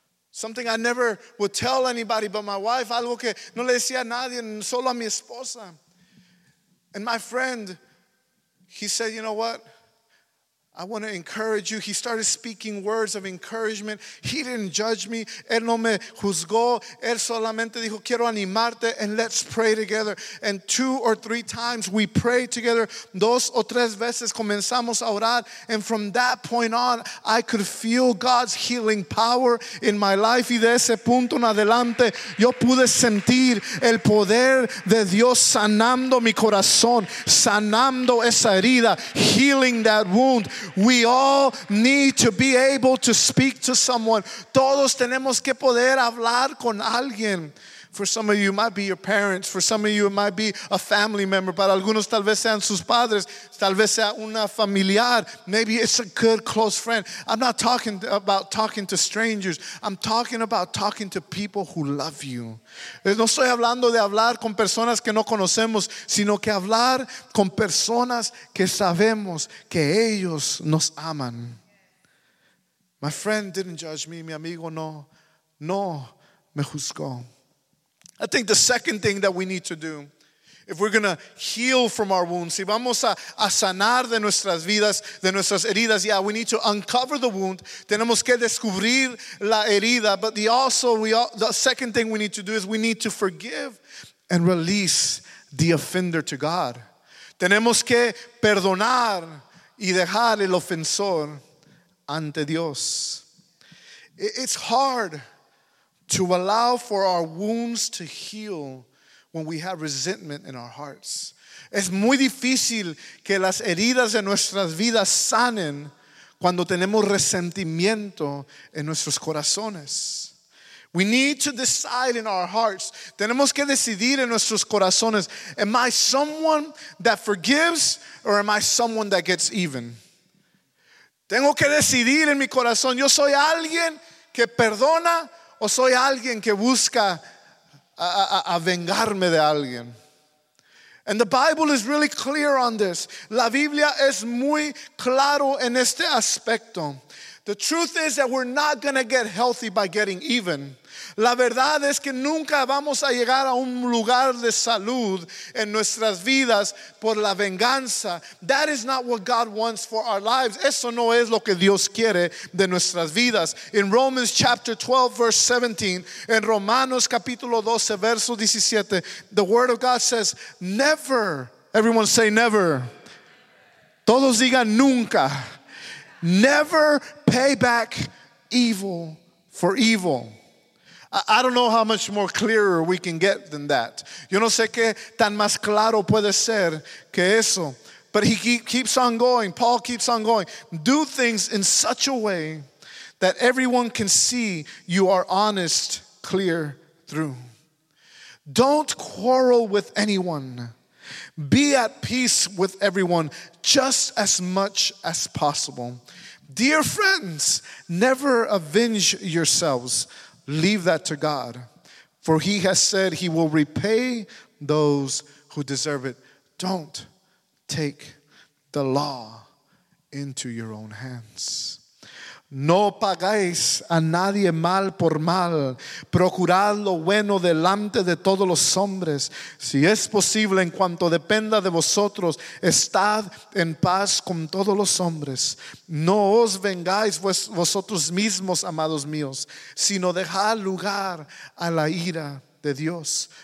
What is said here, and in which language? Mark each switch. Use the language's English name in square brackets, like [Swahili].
[English] Something I never would tell anybody but my wife. [Spanish] Algo que no le decía a nadie, solo a mi esposa. [English] And my friend, he said, you know what? I want to encourage you. He started speaking words of encouragement. He didn't judge me. [Spanish] Él no me juzgó. Él solamente dijo, quiero animarte [English] and let's pray together. And two or three times we prayed together. [Spanish] Dos o tres veces comenzamos a orar. [English] And from that point on, I could feel God's healing power in my life. [Spanish] Y de ese punto en adelante, yo pude sentir el poder de Dios sanando mi corazón, sanando esa herida, [English] healing that wound. We all need to be able to speak to someone. [Spanish] Todos tenemos que poder hablar con alguien. [English] For some of you, it might be your parents. For some of you, it might be a family member. [Spanish] Para algunos, tal vez sean sus padres. Tal vez sea una familiar. [English] Maybe it's a good, close friend. I'm not talking about talking to strangers. I'm talking about talking to people who love you. [Spanish] No estoy hablando de hablar con personas que no conocemos, sino que hablar con personas que sabemos que ellos nos aman. [English] My friend didn't judge me. [Spanish] Mi amigo no me juzgó. [English] I think the second thing that we need to do, if we're going to heal from our wounds, [Spanish] si vamos a sanar de nuestras vidas, de nuestras heridas, [English] yeah, we need to uncover the wound. [Spanish] Tenemos que descubrir la herida. [English] But the second thing we need to do is we need to forgive and release the offender to God. [Spanish] Tenemos que perdonar y dejar el ofensor ante Dios. [English] It's hard to allow for our wounds to heal when we have resentment in our hearts. [Spanish] Es muy difícil que las heridas de nuestras vidas sanen cuando tenemos resentimiento en nuestros corazones. [English] We need to decide in our hearts. [Spanish] Tenemos que decidir en nuestros corazones. [English] Am I someone that forgives or am I someone that gets even? [Spanish] Tengo que decidir en mi corazón. Yo soy alguien que perdona. ¿O soy alguien que busca a vengarme de alguien? [English] And the Bible is really clear on this. [Spanish] La Biblia es muy claro en este aspecto. [English] The truth is that we're not going to get healthy by getting even. [Spanish] La verdad es que nunca vamos a llegar a un lugar de salud en nuestras vidas por la venganza. [English] That is not what God wants for our lives. [Spanish] Eso no es lo que Dios quiere de nuestras vidas. [English] In Romans chapter 12, verse 17, [Spanish] en Romanos capítulo 12, verso 17, [English] the word of God says, never, everyone say never. [Spanish] Todos digan nunca. [English] Never pay back evil for evil. I don't know how much more clearer we can get than that. [Spanish] Yo no sé qué tan más claro puede ser que eso. [English] But he keeps on going. Paul keeps on going. Do things in such a way that everyone can see you are honest, clear through. Don't quarrel with anyone. Be at peace with everyone just as much as possible. Dear friends, never avenge yourselves. Leave that to God. For he has said he will repay those who deserve it. Don't take the law into your own hands. [Spanish] No pagáis a nadie mal por mal. Procurad lo bueno delante de todos los hombres. Si es posible, en cuanto dependa de vosotros, estad en paz con todos los hombres. No os vengáis vosotros mismos, amados míos, sino dejad lugar a la ira de Dios.